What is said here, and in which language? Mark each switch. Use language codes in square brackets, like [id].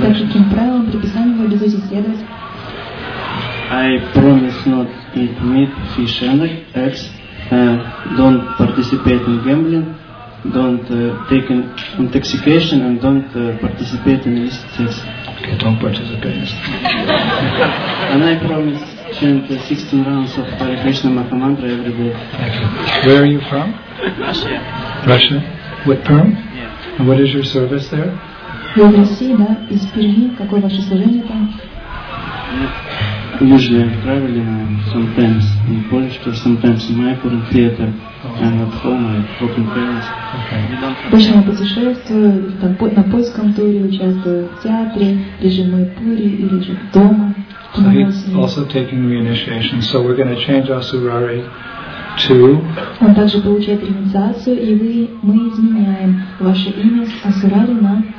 [ru] Так, каким правилам при писании вы обязуетесь следовать? [en] I promise not eat meat, fish and eggs, don't participate in gambling, don't take intoxication, and don't participate in illicit sex. Okay, don't participate in And I promise... chant 16 rounds of Hare Krishna Maha Mantra every day. Thank you. Where are you from? Russia. Russia? With Perm? Yeah. And what is your service there? In Russia, [ru] да? Из Перми. Какое ваше служение там? [en] Usually I'm traveling, sometimes in Polish, or sometimes in Mayapur in theater. Oh. And at home I talk in parents. Okay. [ru] Больше на путешествии, там, на польском туре участвую, в театре, или же в Майпуре, или же дома. [en] So he's also taking reinitiation. So we're going to change Asurari to. [ru] Он также получает инициацию, и мы изменяем ваше имя Асурари на.